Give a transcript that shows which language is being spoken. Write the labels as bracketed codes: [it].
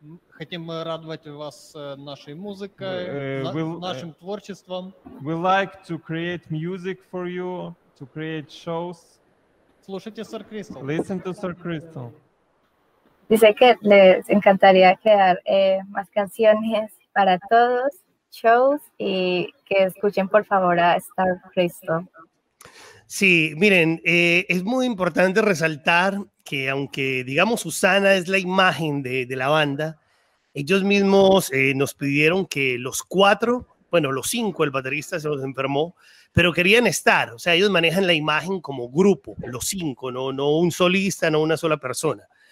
[ru] Хотим радовать вас нашей музыкой, нашим творчеством. [en] We like to create music for you, to create shows. [ru] Слушайте Star Crystal. [en] Listen to Star Crystal. [es] Dice que les encantaría crear más canciones para todos, shows, y que escuchen por favor a Star Crystal. Sí, miren, es muy importante resaltar que aunque, digamos, Susana es la imagen de la banda, ellos mismos nos pidieron que los cuatro, bueno, los cinco, el baterista se los enfermó, pero querían estar, o sea, ellos manejan la imagen como grupo, los cinco, no un solista, no una sola persona.